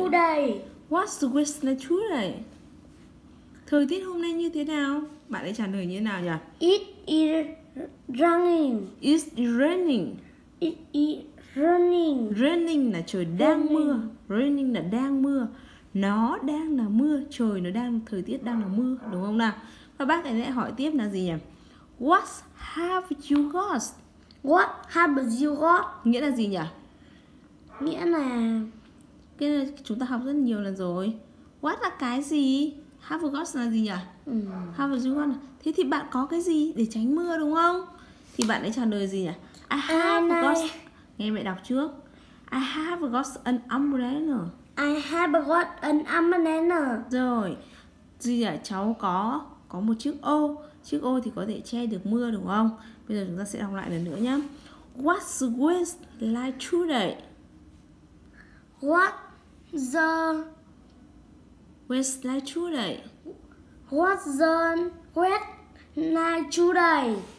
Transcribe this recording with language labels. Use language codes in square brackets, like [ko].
[en] What's the weather like today? [vi] Thời tiết hôm nay như thế nào? Bạn ấy trả lời như thế nào nhỉ? [en] It is raining. It's raining. It is raining. [vi] Raining là trời đang mưa. Raining là đang mưa. Nó đang là mưa. Trời nó đang, thời tiết đang là mưa, đúng không nào? Và bác ấy lại hỏi tiếp là gì nhỉ? [en] What have you got? What have you got? [vi] Nghĩa là gì nhỉ? Nghĩa là... cái này chúng ta học rất nhiều lần rồi. What là cái gì? [en] Have you got [vi] là gì nhỉ? [en] Have you got? [vi] Thế thì bạn có cái gì để tránh mưa, đúng không? Thì bạn ấy trả lời gì nhỉ? [en] I have got. [vi] Nghe mẹ đọc trước. [en] I have got an umbrella. I have got an umbrella. [vi] Rồi. Gì nhỉ? Cháu có một chiếc ô. Chiếc ô thì có thể che được mưa, đúng không? Bây giờ chúng ta sẽ đọc lại lần nữa nhé. [en] What's the weather like today? What the weather like today? What's the weather like today?